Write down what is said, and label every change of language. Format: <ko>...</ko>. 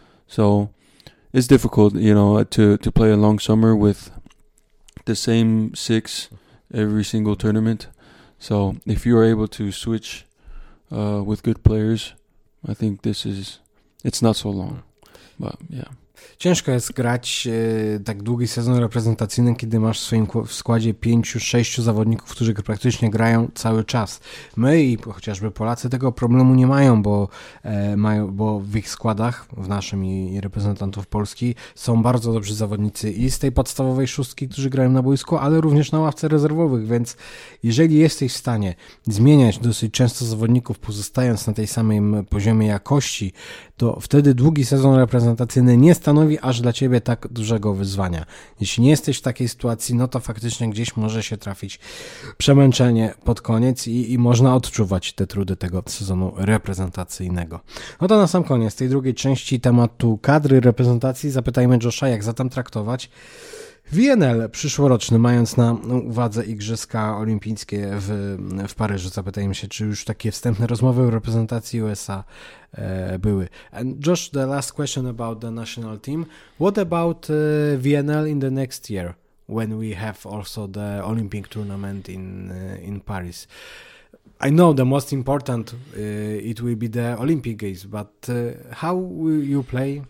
<en>So it's difficult, you know, to play a long summer with the same six every single tournament. So if you are able to switch with good players, I think this is, it's not so long, but yeah.</en> <pl>Ciężko jest grać tak długi sezon reprezentacyjny, kiedy masz w swoim składzie 5-6 zawodników, którzy praktycznie grają cały czas. My i chociażby Polacy tego problemu nie mają, bo w ich składach, w naszym i reprezentantów Polski, są bardzo dobrzy zawodnicy i z tej podstawowej szóstki, którzy grają na boisku, ale również na ławce rezerwowych, więc jeżeli jesteś w stanie zmieniać dosyć często zawodników, pozostając na tej samej poziomie jakości, to wtedy długi sezon reprezentacyjny nie stanowi aż dla ciebie tak dużego wyzwania. Jeśli nie jesteś w takiej sytuacji, no to faktycznie gdzieś może się trafić przemęczenie pod koniec i można odczuwać te trudy tego sezonu reprezentacyjnego. No to na sam koniec tej drugiej części tematu kadry reprezentacji zapytajmy Josha, jak zatem traktować WNL przyszłoroczny, mając na uwadze Igrzyska Olimpijskie w Paryżu. Zapytajmy się, czy już takie wstępne rozmowy o reprezentacji USA były.</pl> <en>And Josh, the last question about the national team. What about VNL in the next year, when we have also the Olympic tournament in Paris? I know the most important it will be the Olympic Games, but how will you play?</en>